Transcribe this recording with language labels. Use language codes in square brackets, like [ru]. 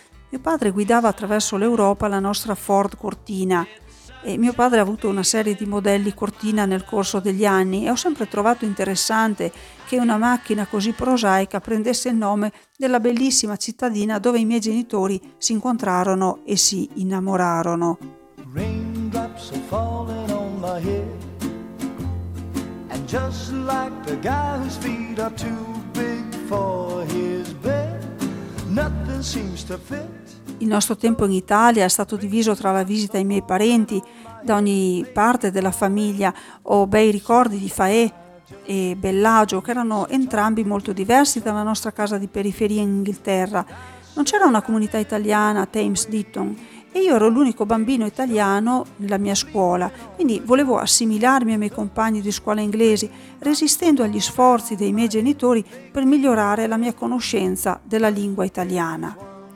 [it] Mio padre guidava attraverso l'Europa la nostra Ford Cortina e mio padre ha avuto una serie di modelli Cortina nel corso degli anni e ho sempre trovato interessante che una macchina così prosaica prendesse il nome della bellissima cittadina dove i miei genitori si incontrarono e si innamorarono. [en] Raindrops are falling on my head, and just like the guy whose feet are too big for his bed, nothing seems to fit. [it] Il nostro tempo in Italia è stato diviso tra la visita ai miei parenti da ogni parte della famiglia. Ho bei ricordi di Faè e Bellagio, che erano entrambi molto diversi dalla nostra casa di periferia in Inghilterra. Non c'era una comunità italiana a Thames Ditton e io ero l'unico bambino italiano nella mia scuola, quindi volevo assimilarmi ai miei compagni di scuola inglesi, resistendo agli sforzi dei miei genitori per migliorare la mia conoscenza della lingua italiana.